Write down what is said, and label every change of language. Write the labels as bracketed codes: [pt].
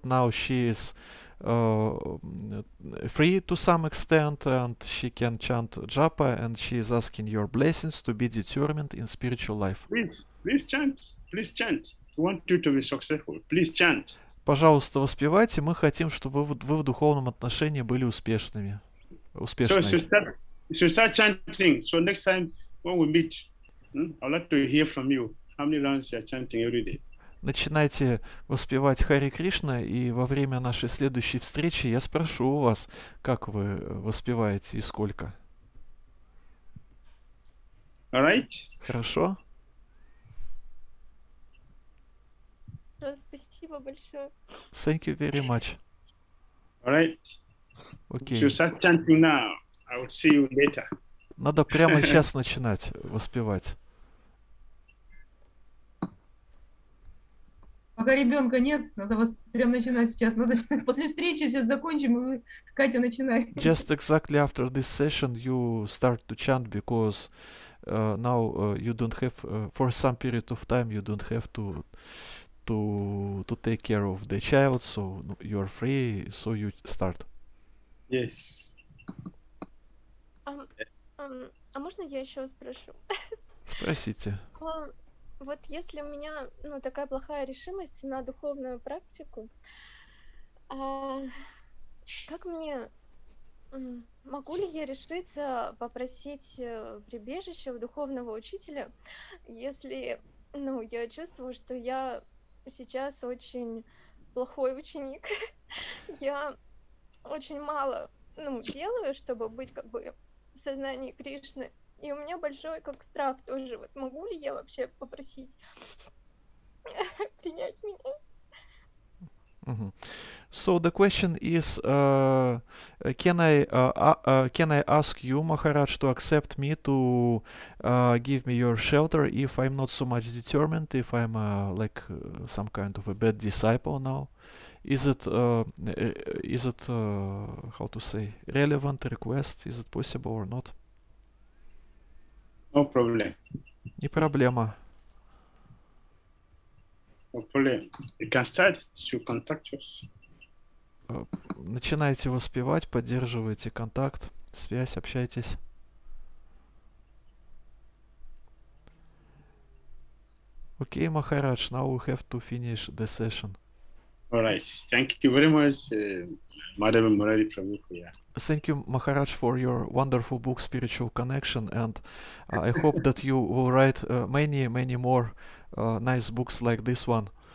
[en] Now she is free to some extent, and she can chant japa, and she is asking your blessings to be determined in spiritual life. Please chant. Please chant. We want you to be successful. Please chant. [ru] Пожалуйста, воспевайте. Мы хотим, чтобы вы в духовном отношении были успешными. Успешными. [en] So she start chanting. So next time when we meet, I'd like to hear from you how many rounds you are chanting every day. Начинайте воспевать Харе Кришна, и во время нашей следующей встречи я спрошу у вас, как вы воспеваете и сколько. All right. [ru] Хорошо. Спасибо большое. [en] Thank you very much. All right. Okay. You start chanting now. I will see you later. [ru] Надо прямо сейчас начинать воспевать. Пока ребенка нет, надо вас прям начинать сейчас. Надо после встречи сейчас закончим, и вы, Катя, начинай. [en] Just exactly after this session you start to chant, because now you don't have for some period of time you don't have to take care of the child, so you are free, so you start. Yes. [ru] А можно я еще спрошу? Спросите. Вот если у меня, ну, такая плохая решимость на духовную практику, как мне, могу ли я решиться попросить прибежище у духовного учителя, если, ну, я чувствую, что я сейчас очень плохой ученик, я очень мало, ну, делаю, чтобы быть как бы в сознании Кришны. И у меня большой как страх тоже. Вот могу ли я вообще попросить принять меня? [en] So the question is, can I ask you, Maharaj, to accept me to give me your shelter if I'm not so much determined, if I'm like some kind of a bad disciple now? Is it relevant request? Is it possible or not? No problem. [ru] Не проблема. [en] No problem. You can start to contact us. [ru] Начинайте воспевать, поддерживайте контакт, связь, общайтесь. [en] Okay, Maharaj, now we have to finish the session. All right. Thank you very much, Madhava-Murari Prabhu. Yeah. Thank you, Maharaj, for your wonderful book, Spiritual Connection, and I hope that you will write many, many more nice books like this one.